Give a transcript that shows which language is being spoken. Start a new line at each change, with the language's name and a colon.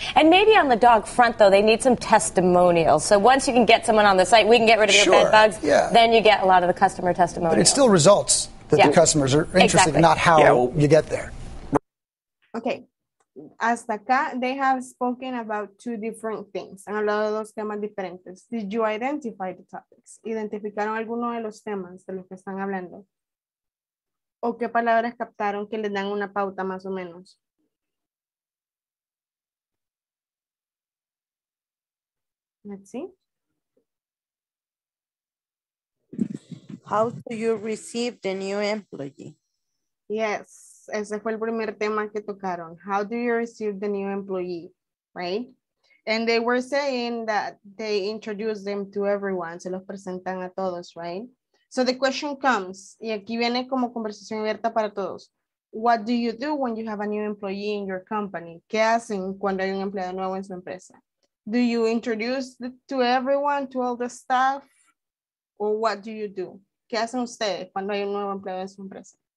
English: And maybe on the dog front, though, they need some testimonials. So once you can get someone on the site, we can get rid of your bed bugs. Yeah. Then you get a lot of the customer testimonials. But it's still results that the customers are interested in, not how you get there. Okay.
Spanish: Hasta acá,
English: they have spoken about two different things.
Spanish: Han hablado de dos temas diferentes.
English: Did you identify the topics?
Spanish: ¿Identificaron alguno de los temas de los que están hablando? ¿O qué palabras captaron que les dan una pauta más o menos?
English: Let's see. How do you receive the new employee?
Spanish: Yes. Ese fue el primer tema que tocaron.
English: How do you receive the new employee, right? And they were saying that they introduce them to everyone,
Spanish: se los presentan a todos,
English: right? So the question comes,
Spanish: y aquí viene como conversación abierta para todos.
English: What do you do when you have a new employee in your company?
Spanish: ¿Qué hacen cuando hay un empleado nuevo en su empresa?
English: Do you introduce to everyone, to all the staff? Or what do you do?
Spanish: ¿Qué hacen ustedes cuando hay un nuevo empleado en su empresa?